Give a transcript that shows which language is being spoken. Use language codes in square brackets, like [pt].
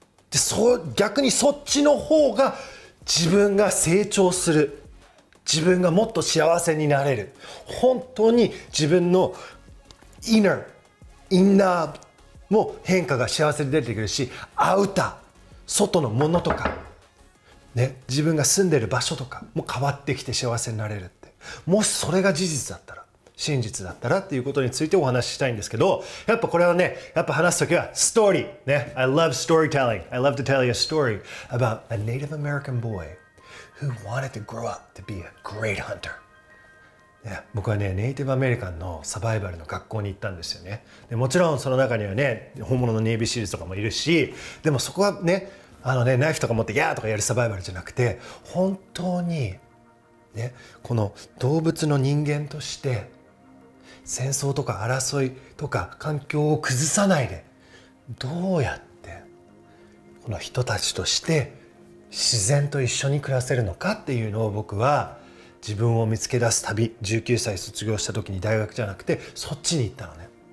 [ja] でそう逆にそっちの方が自分が成長する、自分がもっと幸せになれる、本当に自分のインナーも変化が幸せに出てくるし、アウター外のものとか、ね、自分が住んでる場所とかも変わってきて幸せになれるって、もしそれが事実だったら、真実だったらっていうことについてお話ししたいんですけど、やっぱこれはね、やっぱ話すときはストーリーね。 [en] I love storytelling. I love to tell you a story about a Native American boy who wanted to grow up to be a great hunter. [ja] 僕はね、ネイティブアメリカンのサバイバルの学校に行ったんですよね。でもちろんその中にはね、本物のネイビーシールズとかもいるし、でもそこはね、あのね、ナイフとか持ってギャーとかやるサバイバルじゃなくて、本当にね、この動物の人間として戦争とか争いとか環境を崩さないで、どうやってこの人たちとして自然と一緒に暮らせるのかっていうのを、僕は自分を見つけ出す旅、19歳卒業した時に大学じゃなくてそっちに行ったのね。